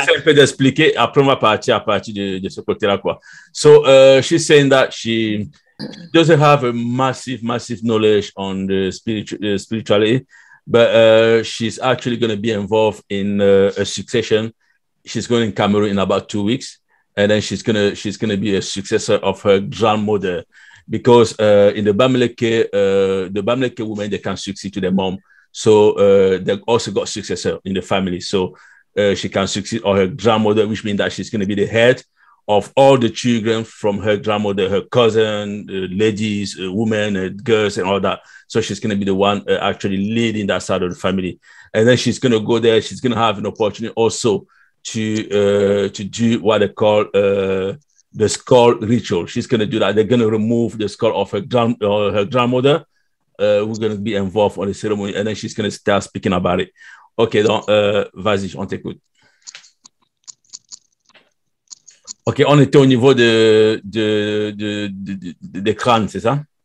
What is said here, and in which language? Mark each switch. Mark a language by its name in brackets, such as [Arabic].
[French] J'essaie un peu d'expliquer, après on va partir à partir de ce côté-là quoi. [English] So she's saying that she doesn't have a massive knowledge on the spirituality. But she's actually going to be involved in a succession. She's going in Cameroon in about 2 weeks, and then she's gonna be a successor of her grandmother, because in the Bamileke women they can succeed to their mom, so they also got successor in the family. So she can succeed on her grandmother, which means that she's going to be the head of all the children from her grandmother, her cousin, ladies, women, girls, and all that. So she's going to be the one actually leading that side of the family. And then she's going to go there. She's going to have an opportunity also to do what they call the skull ritual. She's going to do that. They're going to remove the skull of her grandmother. We're going to be involved on the ceremony. And then she's going to start speaking about it. [French] Okay, donc, vas-y, on t'écoute. Ok, on était au niveau de crâne, c'est ça?